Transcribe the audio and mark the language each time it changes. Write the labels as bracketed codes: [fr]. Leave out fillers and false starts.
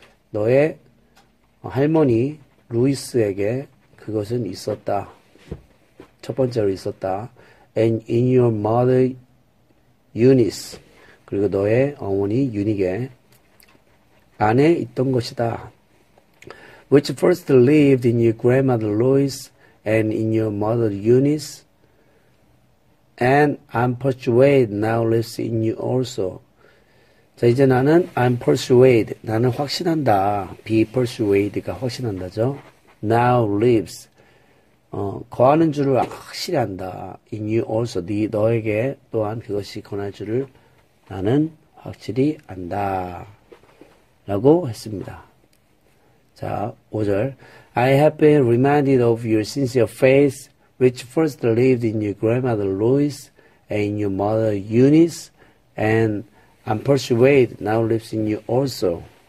[ko] 너의 할머니, 루이스에게 그것은 있었다. 첫 번째로 있었다. [en] And in your mother, Eunice. [ko] 그리고 너의 어머니, 유닉에 안에 있던 것이다. [en] Which first lived in your grandmother, Louis, and in your mother, Eunice. And I'm persuaded now lives in you also. [ko] 자, 이제 나는 [en] I'm persuaded. [ko] 나는 확신한다. Be persuaded가 확신한다죠. [en] Now lives. [ko] 거하는 줄을 확실히 안다. [en] In you also. [ko] 네 너에게 또한 그것이 거할 줄을 나는 확실히 안다. 라고 했습니다. 자, 5절. [en] I have been reminded of your sincere faith, which first lived in your grandmother Louise and in your mother Eunice, and I'm persuaded now lives in you also.